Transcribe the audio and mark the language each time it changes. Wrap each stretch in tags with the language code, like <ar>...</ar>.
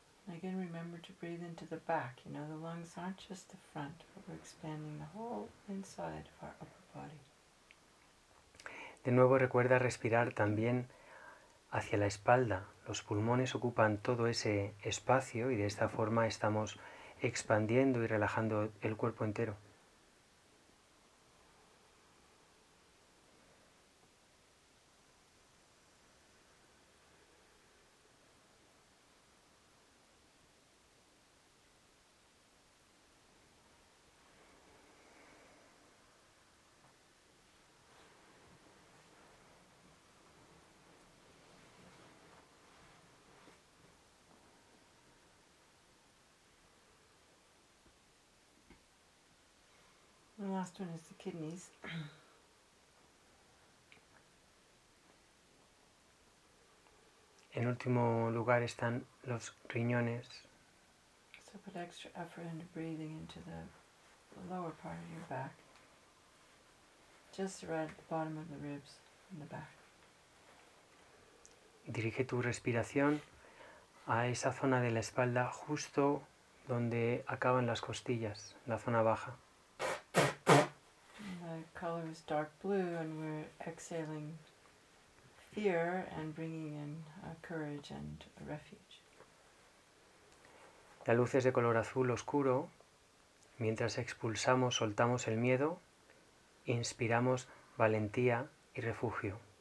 <en>Again, remember to breathe into the back. You know, the lungs aren't just the front, but we're expanding the whole inside of our upper body.</en> <es>De nuevo, recuerda respirar también hacia la espalda. Los pulmones ocupan todo ese espacio, y de esta forma estamos expandiendo y relajando el cuerpo entero.</es> <en>The last one is the kidneys.</en> <es>En último lugar están los riñones.</es> <en>So put extra effort into breathing into the lower part of your back. Just right at the bottom of the ribs in the back.</en> <es>Dirige tu respiración a esa zona de la espalda justo donde acaban las costillas, la zona baja.</es> <en>Color is dark blue, and we're exhaling fear and bringing in courage and a refuge.</en> <es>La luz es de color azul oscuro. Mientras expulsamos, soltamos el miedo, inspiramos valentía y refugio.</es>